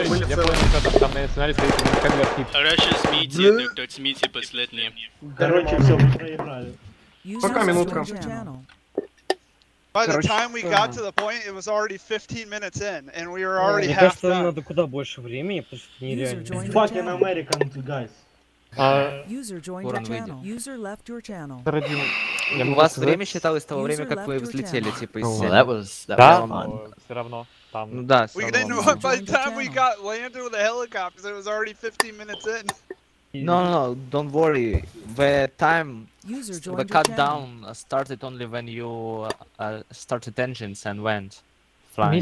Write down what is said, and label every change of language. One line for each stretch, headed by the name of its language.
Russian: Я понял, что там на арсенале стоит. Короче, смейте, тот смейте последний. Короче, все, мы проиграли. Пока, минутка.
English: By the time we got to the point, it was already 15 minutes in, and we were already half done.
Russian: Мне кажется, надо куда больше времени, потому что нереально.
English: Fucking American, guys. User joined your channel. User left your channel.
Russian: У вас время считалось того время, как вы взлетели, типа, из сети?
English: Well, that was fun.
Russian: Все равно. Там... Ну да, все равно.
English: By the time we got landed with a helicopter, it was already 15 minutes in. No, don't worry. The time, the countdown started only when you started engines and went flying.